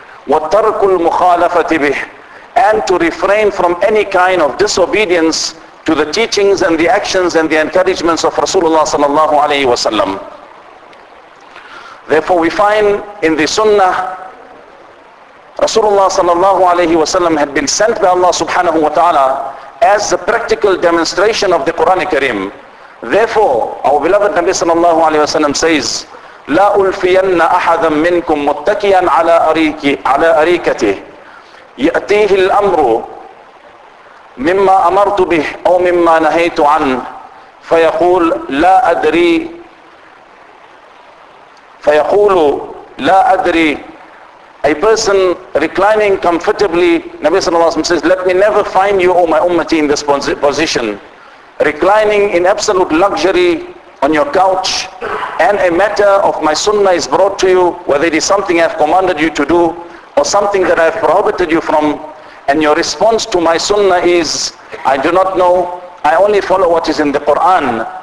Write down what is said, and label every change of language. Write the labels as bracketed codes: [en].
[en] Wattarku al-mukhalafati bih, and to refrain from any kind of disobedience to the teachings and the actions and the encouragements of Rasulullah sallallahu alayhi wa sallam. Therefore we find in the sunnah, Rasulullah sallallahu alayhi wa sallam had been sent by Allah subhanahu wa ta'ala as the practical demonstration of the Quran Kareem. Therefore, our beloved Nabi sallallahu alayhi wa sallam says, [ar] لَا أُلْفِيَنَّ أَحَدًا مِنْكُمْ مُتَّكِيًا عَلَىٰ أَرِيكَتِهِ يأتيه الأمر مما أمرت به أو مما نهيت عنه فيقول لا أدري فيقول لا أدري. [en] A person reclining comfortably, Nabi sallallahu alayhi wa sallam says, let me never find you, O my ummati, in this position. Reclining in absolute luxury on your couch, and a matter of my sunnah is brought to you, whether it is something I have commanded you to do or something that I have prohibited you from, and your response to my sunnah is, I do not know, I only follow what is in the Quran.